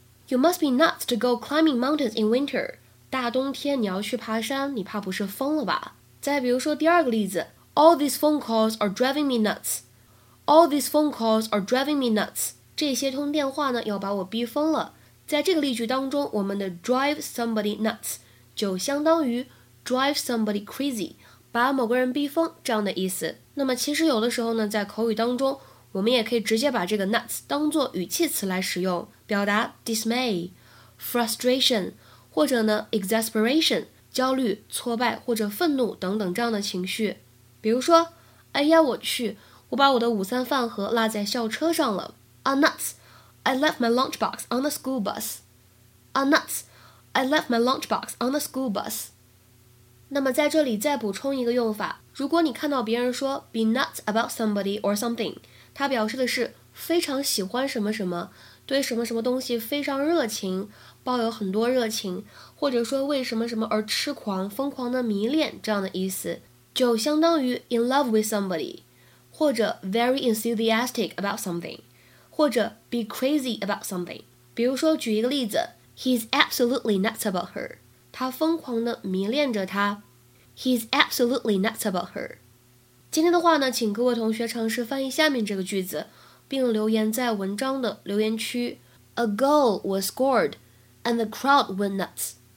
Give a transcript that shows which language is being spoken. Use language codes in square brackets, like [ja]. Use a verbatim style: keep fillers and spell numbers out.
[en] You must be nuts to go climbing mountains in winter. [zh] 大冬天你要去爬山，你怕不是疯了吧？再比如说第二个例子 [en] All these phone calls are driving me nuts. All these phone calls are driving me nuts. [zh] 这些通电话呢要把我逼疯了。在这个例句当中，我们的 [en] drive somebody nuts [zh] 就相当于 [en] drive somebody crazy， [zh] 把某个人逼疯这样的意思。那么其实有的时候呢，在口语当中我们也可以直接把这个 nuts 当作语气词来使用，表达 [en] dismay, frustration [zh] 或者呢 exasperation 焦虑、挫败或者愤怒等等这样的情绪。比如说，哎呀我去，我把我的午餐饭盒落在校车上了。 [en] I'm nuts. I left my lunchbox on the school bus. I'm nuts. I left my lunchbox on the school bus. [zh] 那么在这里再补充一个用法，如果你看到别人说 [en] be nuts about somebody or something， [zh] 它表示的是非常喜欢什么什么，对什么什么东西非常热情，抱有很多热情，或者说为什么什么而痴狂、疯狂的迷恋这样的意思，就相当于 [en] in love with somebody， [zh] 或者 [en] very enthusiastic about something。 [zh] 或者 [en] be crazy about something。 [zh] 比如说举一个例子， [en] He's absolutely nuts about her， [zh] 他疯狂的迷恋着她。 [en] He's absolutely nuts about her。 [zh] 今天的话呢，请各位同学尝试翻译下面这个句子，并留言在文章的留言区。 [en] A goal was scored and the crowd went nuts.